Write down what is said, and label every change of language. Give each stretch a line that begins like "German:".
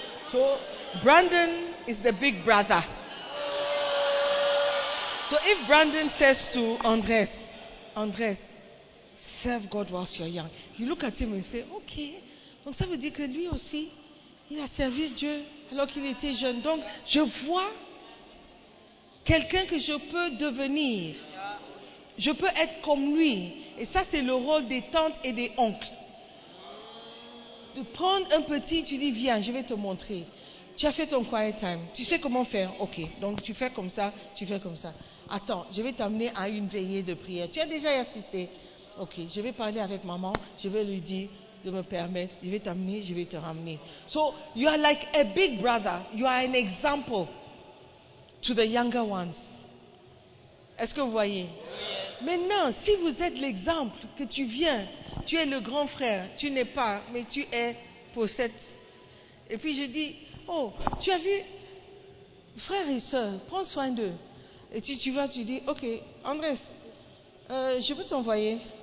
English: So, Brandon is the big brother. So, if Brandon says to Andres, Andres, serve God whilst you're young, you look at him and say, okay.
French: Donc, ça veut dire que lui aussi, il a servi Dieu alors qu'il était jeune. Donc, je vois quelqu'un que je peux devenir. Je peux être comme lui. Et ça, c'est le rôle des tantes et des oncles. De prendre un petit, tu dis, viens, je vais te montrer. Tu as fait ton quiet time. Tu sais comment faire. Ok, donc tu fais comme ça, tu fais comme ça. Attends, je vais t'amener à une veillée de prière. Tu as déjà assisté. Ok, je vais parler avec maman. Je vais lui dire de me permettre. Je vais t'amener, je vais te ramener.
English: So, you are like a big brother. You are an example to the younger ones.
French: Est-ce que vous voyez? Maintenant, si vous êtes l'exemple, que tu viens, tu es le grand frère, tu n'es pas, mais tu es possède. Et puis je dis, oh, tu as vu, frère et soeur, prends soin d'eux. Et tu vas, tu dis, ok, Andrés, je peux t'envoyer.